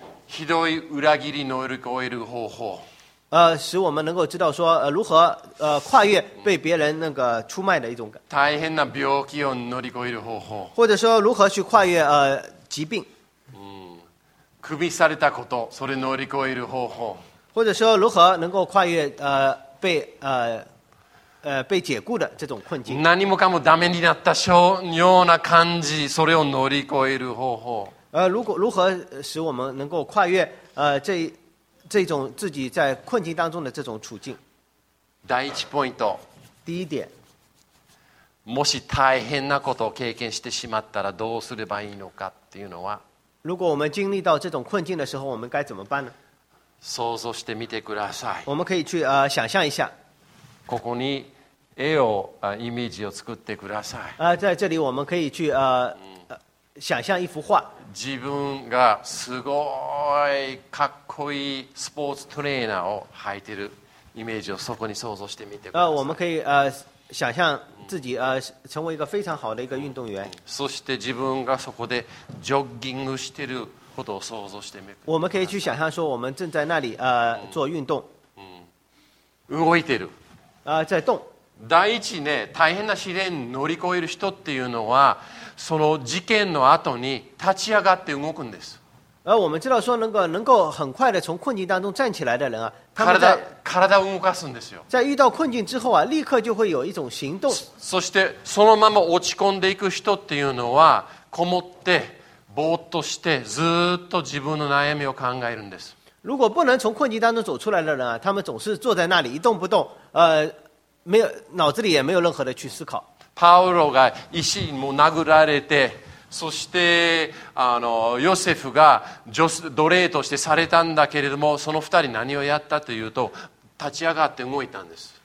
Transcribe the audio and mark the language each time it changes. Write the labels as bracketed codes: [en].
[ja] ひどい裏切り乗り越える方法。 [zh] 使我们能够知道说如何跨越被别人那个出卖的一种感。 [ja] 大変な病気を乗り越える方法。 [zh] 或者说如何去跨越疾病。 [ja] クビされたこと、それ乗り越える方法。 [zh] 或者说如何能够跨越被被解雇的这种困境。 [ja] 何もかもダメになったしょうような感じ、それを乗り越える方法。 [zh] 如何使我们能够跨越这种自己在困境当中的这种处境？ [ja] 第一ポイント。 [zh] 第一点。 [ja] もし大変なことを経験してしまったらどうすればいいのかっていうのは。 [zh] 如果我们经历到这种困境的时候，我们该怎么办呢？ [ja] 想像してみてください。 [zh] 我们可以去想象一下。 [ja] ここに絵をイメージを作ってください。 [zh] 在这里我们可以去想象一幅画。 [ja] 自分がすごいかっこいいスポーツトレーナーを履いてるイメージをそこに想像してみてください。 [zh] 我们可以想象自己成为一个非常好的一个运动员。 [ja] そして自分がそこでジョッギングしてることを想像してみてください。 [zh] 我们可以去想象说我们正在那里做运动。 [ja] 動いてる。 [zh] 在动。 [ja] 第一ね、大変な試練乗り越える人っていうのは、その事件の後に立ち上がって動くんです。 [zh] 我们知道说能够很快的从困境当中站起来的人啊，他们 [ja] 在体を動かすんですよ。 [zh] 在遇到困境之后啊，立刻就会有一种行动。 [ja] そしてそのまま落ち込んでいく人っていうのは、こもってぼーっとしてずっと自分の悩みを考えるんです。 [zh] 如果不能从困境当中走出来的人啊，他们总是坐在那里一动不动，没有脑子里也没有任何的去思考。 [ja] パウロが石にも殴られて。そしてヨセフが奴隷としてされたんだけれども、その二人何をやったというと、立ち上がって動いたんです。